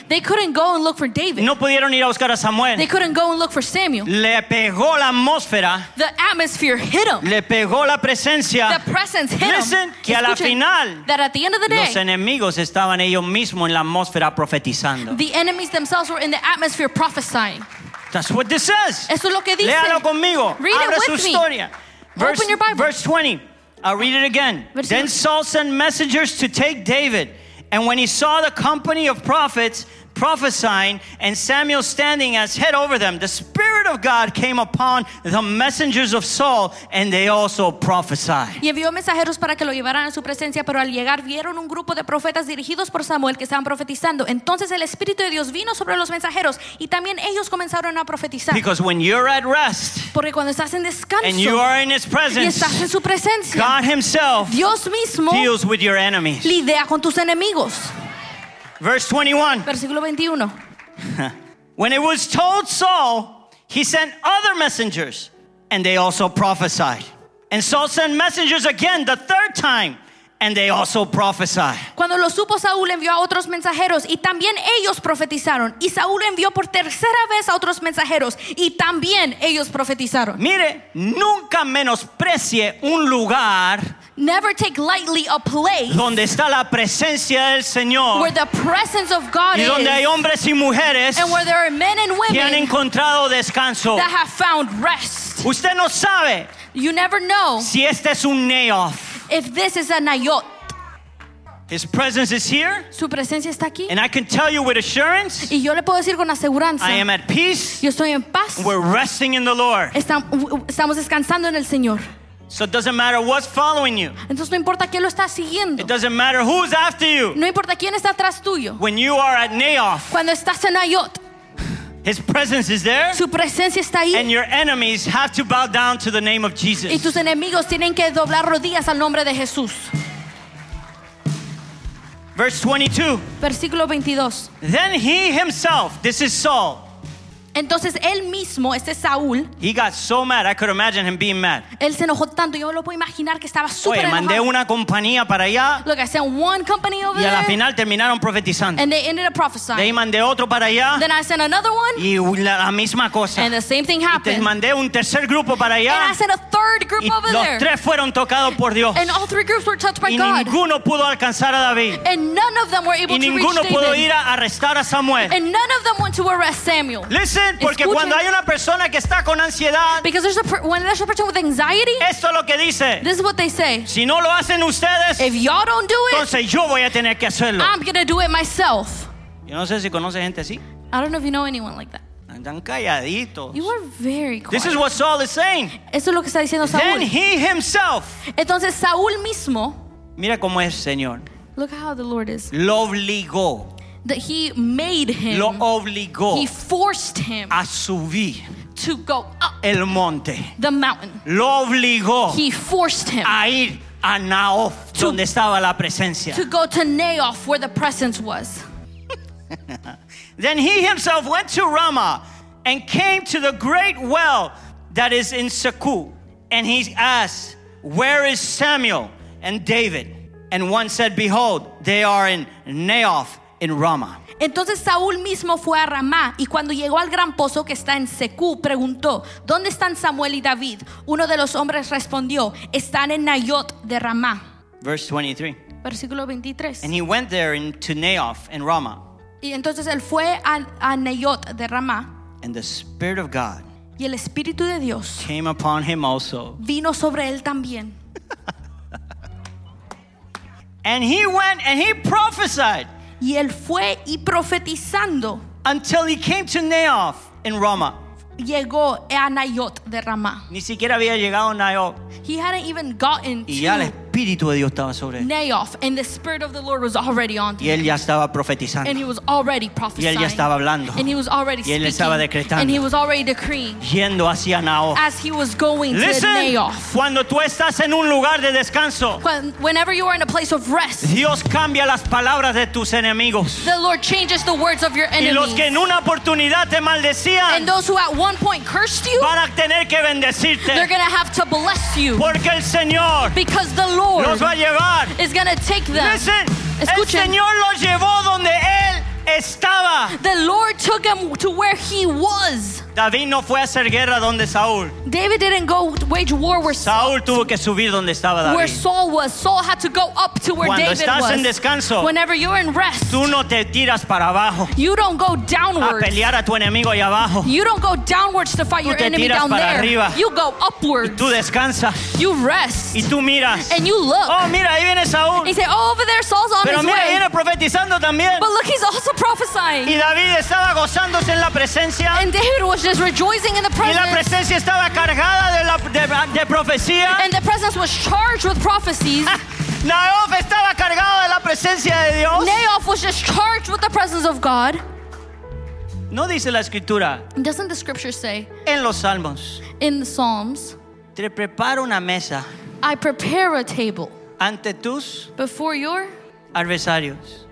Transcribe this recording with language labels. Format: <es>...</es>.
<en>They couldn't go and look for David.</en> <es>No pudieron ir a buscar a Samuel.</es> <en>They couldn't go and look for Samuel.</en> <es>Le pegó la atmósfera.</es> <en>The atmosphere hit him.</en> <es>Le pegó la presencia.</es> <en>The presence hit listen, him.</en> <es>Que escuchen, a la final,</es> <en>that at the end of the day,</en> <es>los enemigos estaban ellos mismos en la atmósfera profetizando.</es> <en>The enemies themselves were in the atmosphere prophesying. That's what this says.</en> <es>Eso es lo que dice. Léalo conmigo.</es> <en>Read</en> <es>abre</es> <en>it with</en> <es>su historia.</es> <en>Me. Verse, open your Bible. Verse 20. I'll read it again. Then Saul sent messengers to take David. And when he saw the company of prophets prophesying and Samuel standing as head over them, the Spirit of God came upon the messengers of Saul and they also prophesied.</en> <es>Y envió mensajeros para que lo llevaran a su presencia, pero al llegar vieron un grupo de profetas dirigidos por Samuel que estaban profetizando. Entonces el Espíritu de Dios vino sobre los mensajeros y también ellos comenzaron a profetizar.</es> <en>Because when you're at rest,</en> <es>porque cuando estás en descanso,</es> <en>and you are in his presence,</en> <es>y estás en su presencia,</es> <en>God himself,</en> <es>Dios mismo,</es> <en>deals with your enemies.</en> <es>Lidia con tus enemigos.</es> <en>Verse 21.</en> <es>Versículo 21.</es> <en>When it was told Saul, he sent other messengers, and they also prophesied. And Saul sent messengers again the third time, and they also prophesied.</en> <es>Cuando lo supo Saúl envió a otros mensajeros, y también ellos profetizaron. Y Saúl envió por tercera vez a otros mensajeros, y también ellos profetizaron. Mire, nunca menosprecie un lugar.</es> <en>Never take lightly a place</en> <es>donde está la presencia del Señor,</es> <en>where the presence of God</en> <es>y donde hay hombres y mujeres,</es> <en>and where there are men and women</en> <es>que han encontrado descanso,</es> <en>that have found rest.</en> <es>Usted no sabe,</es> <en>you never know</en> <es>si este es un Naoth,</es> <en>if this is a Nayot. His presence is here.</en> <es>Su presencia está aquí.</es> <en>And I can tell you with assurance.</en> <es>Y yo le puedo decir con aseguranza.</es> <en>I am at peace.</en> <es>Yo estoy en paz.</es> <en>We're resting in the Lord.</en> <es>Estamos descansando en el Señor.</es> <en>So it doesn't matter what's following you.</en> <es>Entonces no importa quién lo está siguiendo.</es> <en>It doesn't matter who's after you.</en> <es>No importa quién está atrás tuyo.</es> <en>When you are at Naoth.</en> <es>Cuando estás en Naoth.</es> <en>His presence is there.</en> <es>Su presencia está ahí.</es> <en>And your enemies have to bow down to the name of Jesus.</en> <es>Y tus enemigos tienen que doblar rodillas al nombre de Jesús.</es> <en>Verse 22.</en> <es>Versículo 22.</es> <en>Then he himself, this is Saul.</en> <es>Entonces él mismo, este Saúl.</es> <en>He got so mad, I could imagine him being mad.</en> <es>Él se enojó tanto, yo lo puedo imaginar que estaba súper enojado. Oye, mandé una compañía para allá.</es> <en>Look, I sent one company over there.</en> <es>Y a la final terminaron profetizando.</es> <en>And they ended up prophesying.</en> <es>De ahí mandé otro para allá.</es> <en>Then I sent another one.</en> <es>Y la misma cosa.</es> <en>And the same thing happened.</en> <es>Y te mandé un tercer grupo para allá.</es> <en>And I sent a third group over there.</en> <es>Y los tres fueron tocados por Dios.</es> <en>And all three groups were touched by God.</en> <es>Y ninguno pudo alcanzar a David.</es> <en>And none of them were able to reach David.</en> <es>Y ninguno pudo ir a arrestar a Samuel.</es> <en>And none of them went to arrest Samuel. Listen.</en> <es>Porque cuando hay una persona que está con ansiedad,</es> <en>when there's a person with anxiety,</en> <es>esto es lo que dice.</es> <en>This is what they say.</en> <es>Si no lo hacen ustedes,</es> <en>if y'all don't do it,</en> <es>entonces yo voy a tener que hacerlo.</es> <en>I'm gonna do it myself.</en> <es>Yo no sé si conoce gente así.</es> <en>I don't know if you know anyone like that.</en> <es>Están calladitos.</es> <en>You are very quiet. This is what Saul is saying.</en> <es>Eso es lo que está diciendo Saúl.</es> <en>Then he himself.</en> <es>Entonces Saúl mismo. Mira cómo es Señor.</es> <en>Look how the Lord is.</en> <es>Lo obligó.</es> <en>That he made him.</en> <es>Lo obligó.</es> <en>He forced him.</en> <es>A subir.</es> <en>To go up.</en> <es>El monte.</es> <en>The mountain.</en> <es>Lo obligó.</es> <en>He forced him.</en> <es>A ir a Naoth, donde estaba la presencia.</es> <en>To go to Naoth, where the presence was. Then he himself went to Ramah and came to the great well that is in Sakku. And he asked, where is Samuel and David? And one said, behold, they are in Naoth. In Rama.</en> <es>Entonces Saúl mismo fue a Ramá y cuando llegó al gran pozo que está en Secú preguntó, ¿dónde están Samuel y David? Uno de los hombres respondió, están en Naoth de Ramá.</es> <en>Verse 23.</en> <es>Versículo 23.</es> <en>And he went there into Naoth in Rama.</en> <es>Y entonces él fue a Naoth de Ramá.</es> <en>And the Spirit of God.</en> <es>Y el Espíritu de Dios.</es> <en>Came upon him also.</en> <es>Vino sobre él también.</es> <en>And he went and he prophesied.</en> <es>Y él fue y profetizando.</es> <en>Until he came to Naoth in Ramah.</en> <es>Llegó a Naoth de Ramah. Ni siquiera había llegado a Naoth.</es> <en>He hadn't even gotten</en> <es>y ya el Espíritu de Dios estaba sobre él.</es> <en>Naoth, and the Spirit of the Lord was already on</en> <es>y él ya estaba profetizando.</es> <en>And he was already prophesying.</en> <es>Y él ya estaba hablando.</es> <en>And he was already</en> <es>y él</es> <en>speaking.</en> <es>Estaba decretando.</es> <en>And he was already decreeing.</en> <es>Yendo hacia Naoth.</es> <en>As he was going listen, to Naoth.</en> <es>Cuando tú estás en un lugar de descanso.</es> <en>Whenever you are in a place of rest.</en> <es>Dios cambia las palabras de tus enemigos.</es> <en>The Lord changes the words of your enemies.</en> <es>Y los que en una oportunidad te maldecían.</es> <en>And those who at one point cursed you.</en> <es>Van a tener que bendecirte.</es> <en>They're going to have to bless you.</en> <es>Porque el Señor.</es> <en>Because the Lord.</en> <es>Los va a llevar.</es> <en>Is going to take them. Listen.</en> <es>Escuchen. El Señor los llevó donde él estaba.</es> <en>The Lord took him to where he was.</en> <es>David no fue a hacer guerra donde Saúl.</es> <en>David didn't go wage war where</en> <es>Saúl tuvo que subir donde estaba David.</es> <en>Where Saul was. Saul had to go up to where</en> <es>cuando</es> <en>David</en> <es>estás</es> <en>was.</en> <es>En descanso,</es> <en>whenever you're in rest.</en> <es>Tú no te tiras para abajo.</es> <en>You don't go downwards.</en> <es>A pelear a tu enemigo allá abajo.</es> <en>You don't go downwards to fight</en> <es>tú</es> <en>your enemy down</en> <es>para</es> <en>there.</en> <es>Arriba.</es> <en>You go upwards.</en> <es>Y tú descansas.</es> <en>You rest.</en> <es>Y tú miras.</es> <en>And you look.</en> <es>Oh, mira, ahí viene Saúl.</es> <en>He said, oh, over there, Saul's on</en> <es>pero</es> <en>his</en> <es>mira,</es> <en>way.</en> <es>Viene profetizando también.</es> <en>But look, he's also prophesying.</en> <es>Y David estaba gozándose en la presencia.</es> <en>And David was just rejoicing in the presence.</en> <es>Y la presencia estaba cargada de profecía.</es> <en>And the presence was charged with prophecies.</en> <es>Naoth estaba cargado de la presencia de Dios.</es> <en>Naoth was just charged with the presence of God.</en> <es>No dice la escritura.</es> <en>Doesn't the scripture say?</en> <es>En los salmos.</es> <en>In the Psalms.</en> <es>Te preparo una mesa.</es> <en>I prepare a table.</en> <es>Ante tus.</es> <en>Before your.</en> <es>Adversarios.</es>